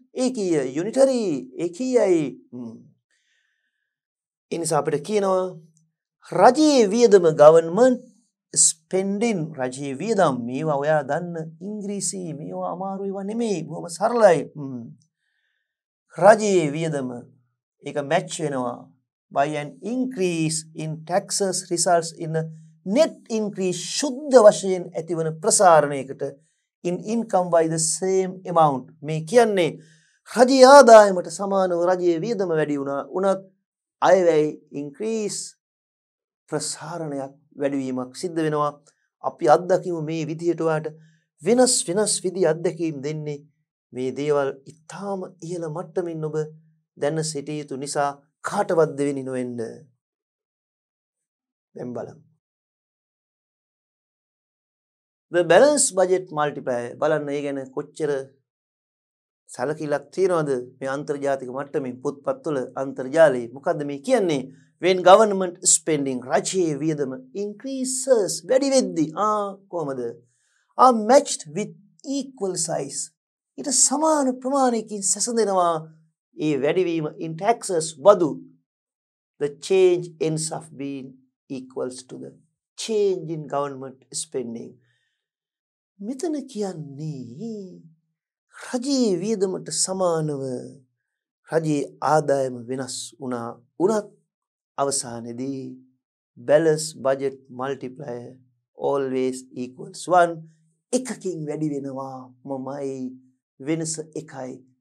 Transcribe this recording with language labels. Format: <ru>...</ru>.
<si>ඒකීය, යුනිටරි, ඒකීයයි. ඒ නිසා අපිට කියනවා රජයේ වියදම ගවර්න්මන්ට් ස්පෙන්ඩින්, රජයේ වියදම්. මේවා ඔයා දන්න ඉංග්‍රීසි, මේවා අමාරු ඒවා නෙමෙයි, බොහොම සරලයි. රජයේ වියදම ඒක මැච් වෙනවා</si> <en>by an increase in taxes results in a net increase,</en> <si>ශුද්ධ වශයෙන් ඇතිවන ප්‍රසාරණයකට,</si> <en>in income by the same amount.</en> <si>මේ කියන්නේ රජයේ ආදායමට සමානව රජයේ වියදම වැඩි වුණා, උනත් අයවැය increase, ප්‍රසාරණයක් වැඩිවීමක් සිද්ධ වෙනවා. අපි අත්දකිමු මේ විදියට ඔයාට වෙනස් වෙනස් විදි අත්දැකීම් දෙන්නේ මේ දේවල් ඉතාම ඉහළ මට්ටමින් ඔබ දැන සිටිය යුතු නිසා කාටවත් දෙවෙනි නොවෙන්න. දැන් බලමු</si> <en>the balance budget multiplier.</en> <si>බලන්න ඒ ගැන කොච්චර සැලකිලක් තියනවද මේ අන්තර්ජාතික මට්ටමින් පුත්පත්වල අන්තර්ජාලයේ. මොකද්ද මේ කියන්නේ?</si> <en>when government spending,</en> <si>රජයේ වියදම</si> <en>increases,</en> <si>වැඩි වෙද්දි, කොහමද?</si> <en>are matched with equal size,</en> <si>ඊට සමාන ප්‍රමාණයකින් සැසඳෙනවා ඒ වැඩිවීම</si> <en>in taxes,</en> <si>බදු.</si> <en>the change ends up being equals to the change in government spending.</en> <si>මෙතන කියන්නේ රජයේ වියදමට සමානව රජයේ ආදායම වෙනස් වුණා, උනත් අවසානයේදී</si> <en>balance budget multiplier always equals 1,</en> <si>එකකින් වැඩි වෙනවා මමයි, වෙනස එකයි.</si>